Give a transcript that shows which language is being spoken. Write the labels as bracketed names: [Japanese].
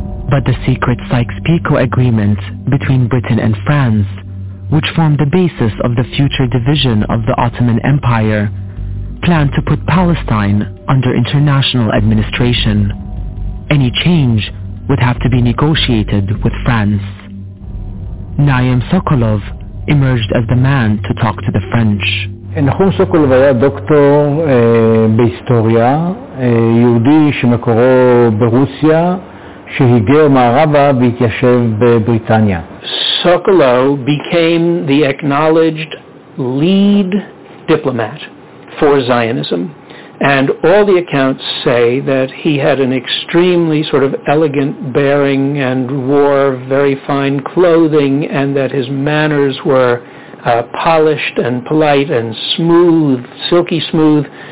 [English] But the secret Sykes-Picot agreement between Britain and France, which formed the basis of the future division of the Ottoman Empire, planned to put Palestine under international administration. Any change would have to be negotiated with France. Naim Sokolov emerged as the man to talk to the French. [Hebrew] נחום סוקולוב היה דוקטור בהיסטוריה, יהודי שמקורו ברוסיה, שהיגר מערבה והתיישב בבריטניה. [English] Sokolov became the acknowledged lead diplomat for Zionism, and all the accounts say that he had an extremely sort of elegant bearing and wore very fine clothing, and that his manners were polished and polite and smooth, silky smooth,